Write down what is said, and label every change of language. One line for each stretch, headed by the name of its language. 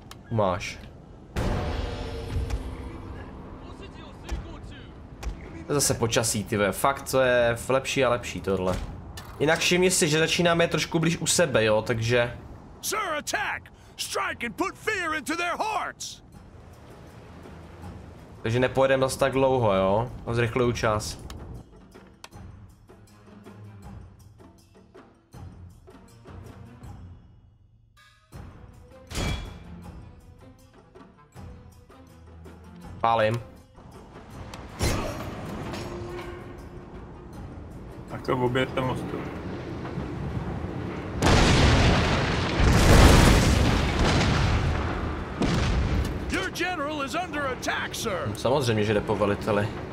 Czech: Máš. Zase počasí, ty ve, fakt to je lepší a lepší tohle. Jinak všimni si, že začínáme trošku blíž u sebe, jo, takže...
English: Sir, attack! Strike and put fear into their hearts.
Czech: Takže nepojedeme zase tak dlouho, jo? Zrychluju čas. Pálím. Tak to obětem mostu.
English: General is under attack, sir.
Czech: Samozřejmě, že jde po veliteli.